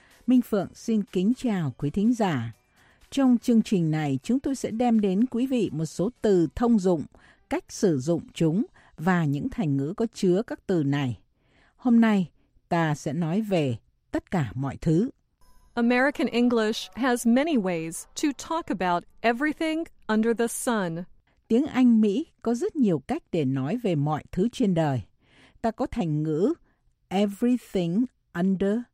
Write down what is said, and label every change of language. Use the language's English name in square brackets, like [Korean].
[Vietnamese] Minh Phượng xin kính chào quý thính giả. Trong chương trình này, chúng tôi sẽ đem đến quý vị một số từ thông dụng, cách sử dụng chúng và những thành ngữ có chứa các từ này. Hôm nay, ta sẽ nói về tất cả mọi thứ. [English] American English has many ways to talk about everything under the sun. [Vietnamese] Tiếng Anh Mỹ có rất nhiều cách để nói về mọi thứ trên đời. Ta có thành ngữ [English] everything under